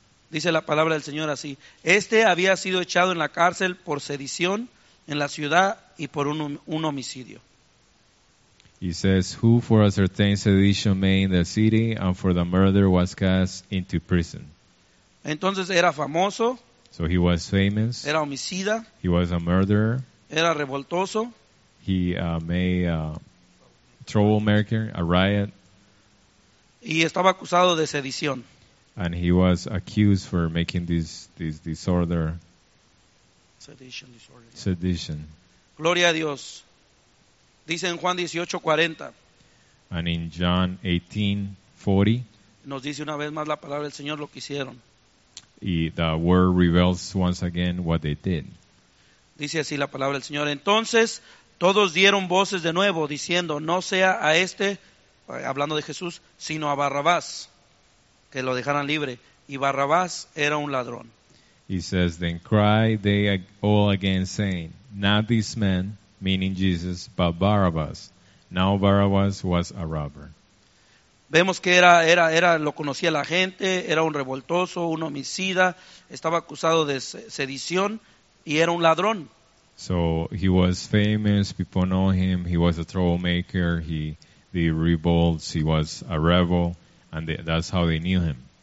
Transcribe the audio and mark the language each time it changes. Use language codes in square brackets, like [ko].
[es] Dice la palabra del Señor así. Este había sido echado en la cárcel por sedición en la ciudad y por un homicidio. [en] He says, who for a certain sedition made in the city and for the murder was cast into prison. [es] Entonces era famoso. [en] So he was famous. [es] Era homicida. [en] He was a murderer. [es] Era revoltoso. [en] He made a troublemaker, a riot. [es] Y estaba acusado de sedición. [en] And he was accused for making this disorder. Sedition disorder. Yeah. Sedition. [es] Gloria a Dios. Dice en Juan 18:40. [en] And in John 18:40. [es] Nos dice una vez más la palabra del Señor lo que hicieron. [en] Y the word reveals once again what they did. [es] Dice así la palabra del Señor. Entonces todos dieron voces de nuevo diciendo, no sea a este, hablando de Jesús, sino a Barrabás, que lo dejaran libre. Y Barrabás era un ladrón. [en] He says, then cried they all again saying, not this man, meaning Jesus, but Barabbas. Now Barabbas was a robber. [es] Vemos que era lo conocía la gente, era un revoltoso, un homicida, estaba acusado de sedición y era un ladrón. [en] So he was famous, people know him, he was a troublemaker, he did revolts, he was a rebel, and that's how they knew him.